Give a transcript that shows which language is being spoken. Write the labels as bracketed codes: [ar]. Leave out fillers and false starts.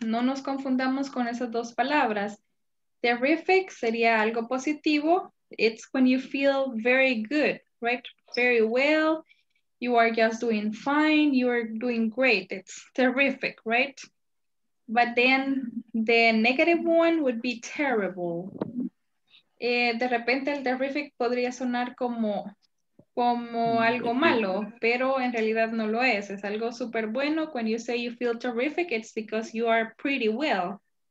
[es] No nos confundamos con esas dos palabras. Terrific sería algo positivo. [en] It's when you feel very good, right? Very well. You are just doing fine. You are doing great. It's terrific, right? But then the negative one would be terrible. [es] De repente el terrific podría sonar como algo malo, pero en realidad no lo es. Es algo súper bueno. [en] When you say you feel terrific, it's because you are pretty well.